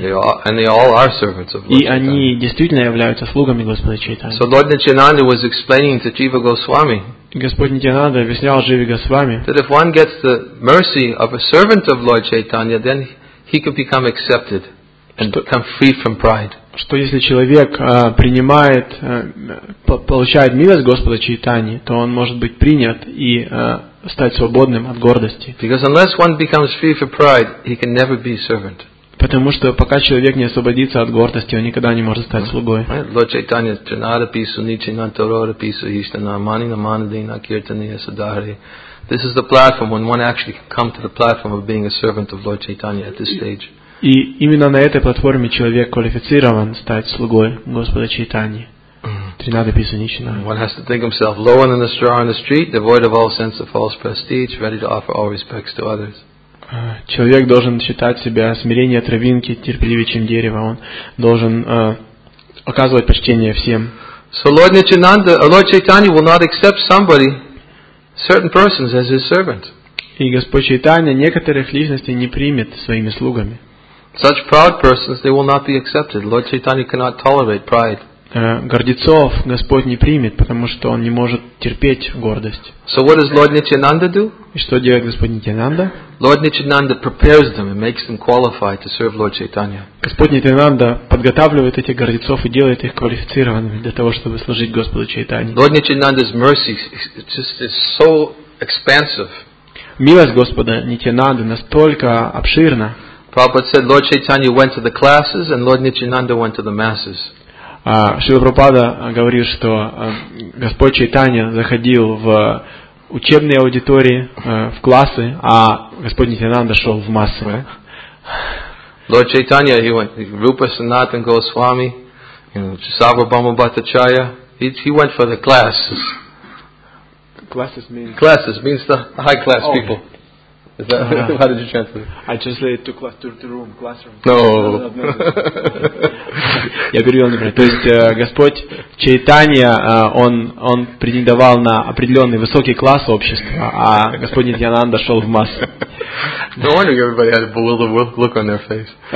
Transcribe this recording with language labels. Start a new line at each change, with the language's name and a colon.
English: And they all are servants of Lord Chaitanya.
Russian: И они действительно являются слугами Господа Чайтани.
English: So Lord Nityananda was explaining to Jiva Goswami.
Russian: Господь Нитьянанда объяснял Живе Госвами.
English: That if one gets the mercy of a servant of Lord Chaitanya, then he could become accepted. And become free from pride.
Russian: Что если человек принимает, получает милость Господа Чайтани, то он может быть принят и стать свободным от гордости.
English: Because unless one becomes free from pride, he can never be a servant.
Russian: Потому что пока человек не освободится от гордости, он никогда не может стать слугой. Lord Chaitanya Janara Pisu Nichi Nantarora Pisu Hishtana Manina Manadina Kirtaniya Sadhari.
English: This is the platform when one actually can come to the platform of being a servant of Lord Chaitanya at this stage.
Russian: И именно на этой платформе человек квалифицирован стать слугой Господа Чайтаньи.
English: One has to think himself low and in the straw on the street, devoid of all sense of false prestige, ready to offer all respects to others.
Russian: Человек должен считать себя смирение травинки, терпеливее, чем дерево. Он должен оказывать почтение всем.
English: So Lord Nityananda, Lord Chaitanya will not accept somebody, certain persons as his servant.
Russian: И Господь Чайтанья некоторых личностей не примет своими слугами.
English: Such proud persons, they will not be accepted. Lord Chaitanya cannot tolerate pride.
Russian: Гордецов Господь не примет, потому что он не может терпеть гордость.
English: So what does Lord Nityananda do?
Russian: И что делает Господь Нитянанда?
English: Lord Nityananda prepares them and makes them qualified to serve Lord Chaitanya.
Russian: Господь Нитянанда подготавливает этих гордецов и делает их квалифицированными для того, чтобы служить Господу Чайтанье.
English: Lord Nityananda's mercy just is so expansive.
Russian: Милость Господа Нитянанды настолько обширна.
English: Prabhupada said Lord Chaitanya went to the classes and Lord Nityananda went to the masses.
Russian: Шрила Прабхупада говорит, что Господь Чайтанья заходил в учебные аудитории, в классы, а Господь Нитянанда шел в массы.
English: Lord Chaitanya, he went Rupa Sanatan Goswami, you know, Chisava Bhama Bhattacharya, he went for the classes. Classes means the high class people. Is that how did you translate? I translated to class to room, classroom. No.
Russian: Я перевел, например. То есть Господь Чайтанья, он претендовал на определенный высокий класс общества, а Господь Нитянанда шел в массы.
English: No wonder everybody had a bewildered look on their face.